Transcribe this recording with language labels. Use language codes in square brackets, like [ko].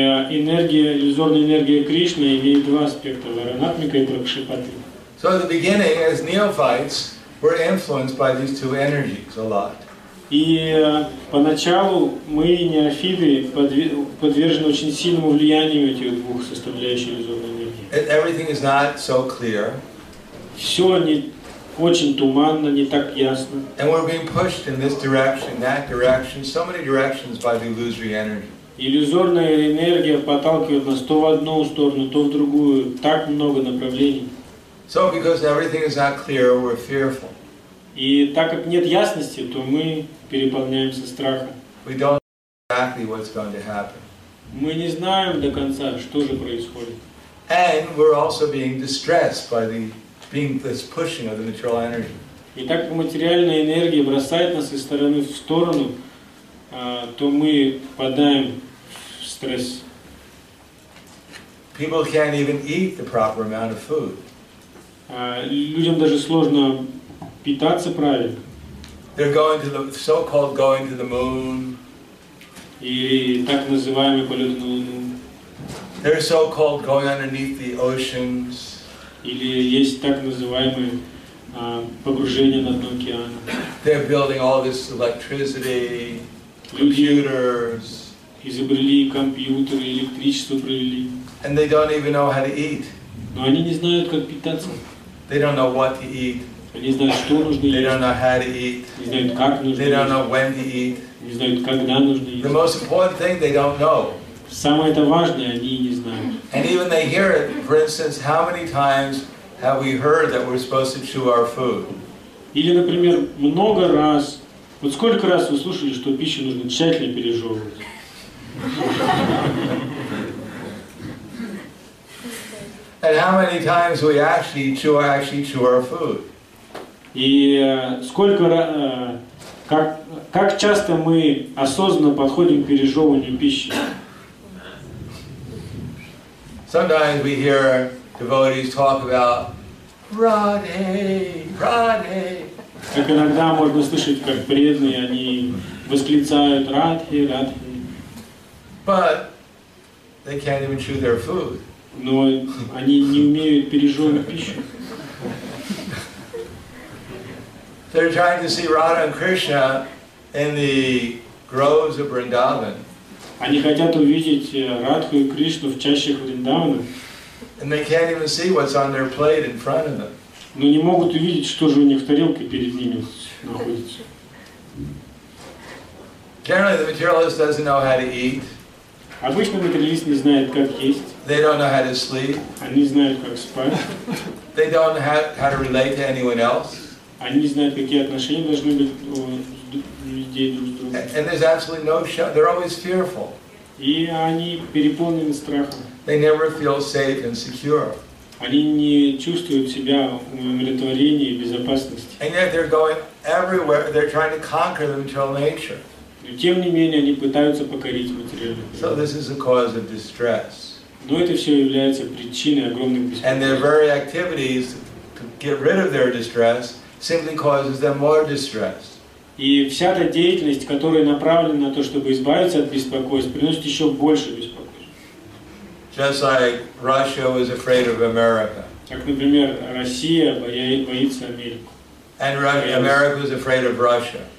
[ru] Энергия, иллюзорная энергия Кришны имеет два аспекта: Аранатмика и Пракшипатмика. [en] So at the beginning, as neophytes, we're influenced by these two energies a lot. [ru] И поначалу мы, неофиты, подвержены очень сильному влиянию этих двух составляющих иллюзорной энергии. [en] Everything is not so clear. [ru] Все не очень туманно, не так ясно. [en] And we're being pushed in this direction, that direction, so many directions by the illusory energy. [ru] Иллюзорная энергия подталкивает нас то в одну сторону, то в другую. Так много направлений. [en] So because everything is not clear, we're fearful. [ru] И так как нет ясности, то мы переполняемся страхом. [en] We don't know exactly what's going to happen. [ru] Мы не знаем до конца, что же происходит. [en] And we're also being distressed by the being this pushing of the material energy. [ru] И так как материальная энергия бросает нас из стороны в сторону, то мы попадаем в стресс. [en] People can't even eat the proper amount of food. [ru] Людям даже сложно питаться правильно. [en] They're going to the so-called going to the moon. [ru] И так называемый полет на Луну. [en] They're so-called going underneath the oceans. [ru] Или есть так называемые погружения на дно океана. [en] They're building all this electricity, computers. [ru] Изобрели компьютеры, электричество провели. [en] And they don't even know how to eat. [ru] Но они не знают, как питаться. [en] They don't know what to eat. [ru] Они знают, что нужно [en] they [ru] есть. [en] Don't know how to eat. [ru] Не знают, как нужно [en] they [ru] есть. [en] Don't know when to eat. [ru] Не знают, когда нужно [en] the [ru] есть. [en] Most important thing they don't know. [ru] Самое это важное, они не знают. [en] And even they hear it, for instance, how many times have we heard that we're supposed to chew our food? [ru] Или, например, много раз, вот сколько раз вы слушали, что пищу нужно тщательно пережевывать? [en] And how many times we actually chew our food? [ru] И сколько как часто мы осознанно подходим к пережевыванию пищи? [en] Sometimes we hear devotees talk about Radhe, Radhe. [ru] Как иногда можно слышать, как преданные они восклицают Радхе, Радхе. [en] But they can't even chew their food. [ru] Но они не умеют пережевывать пищу. [en] They're trying to see Radha and Krishna in the groves of Vrindavan. [ru] Они хотят увидеть Радху и Кришну в чащах Вриндавана. [en] And they can't even see what's on their plate in front of them. [ru] Но не могут увидеть, что же у них в тарелке перед ними находится. [en] Generally, the materialist doesn't know how to eat. [ru] Обычно материалист не знает, как есть. [en] They don't know how to sleep. [ru] Они знают, как спать. [en] They don't know how to relate to anyone else. [ru] Они не знают, какие отношения должны быть у людей друг с другом. [en] And there's absolutely no shelter. They're always fearful. [ru] И они переполнены страхом. [en] They never feel safe and secure. [ru] Они не чувствуют себя в умиротворении и безопасности. [en] And yet they're going everywhere. They're trying to conquer the material nature. [ru] Но тем не менее они пытаются покорить материальный мир. [en] So this is a cause of distress. [ru] Но это все является причиной огромных беспокойств. [en] And their very activities to get rid of their distress simply causes them more distress. [ru] И вся эта деятельность, которая направлена на то, чтобы избавиться от беспокойств, приносит еще больше беспокойств. [en] Just like Russia was afraid of America. [ru] Как, например, Россия боится Америку. [en] And America was afraid of Russia.